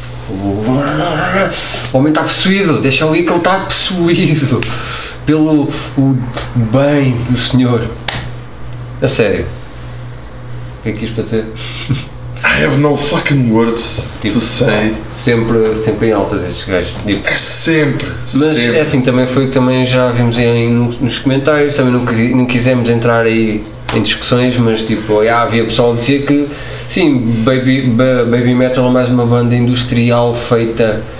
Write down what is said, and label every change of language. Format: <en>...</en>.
<pt>O homem está possuído, deixa ali que ele está possuído pelo o bem do Senhor. A sério. O que é que isto para dizer?</pt> <en>I have no fucking words</en> <pt>tipo,</pt> <en>to say.</en> <pt>Sempre em altas estes gajos. Tipo. É sempre. Mas sempre. É assim, também foi o que também já vimos aí nos comentários, também não quisemos entrar aí em discussões, mas tipo, havia pessoal que dizia que sim, Baby Metal é mais uma banda industrial feita.</pt>